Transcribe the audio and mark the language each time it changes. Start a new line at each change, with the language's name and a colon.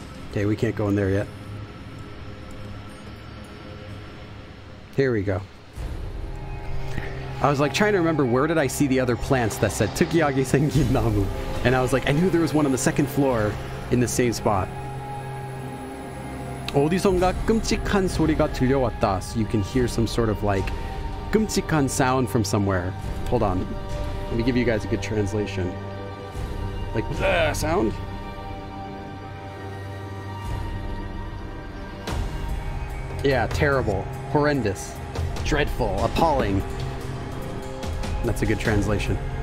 English: Okay, we can't go in there yet. Here we go. I was like trying to remember where did I see the other plants that said Tukiyagi Sengin Namu. And I was like, I knew there was one on the second floor in the same spot.
Korean: 어디선가 끔찍한 소리가 들려왔다.
English: So you can hear some sort of like 끔찍한 sound from somewhere. Hold on. Let me give you guys a good translation. Like the sound? Yeah, terrible, horrendous, dreadful, appalling. That's a good translation.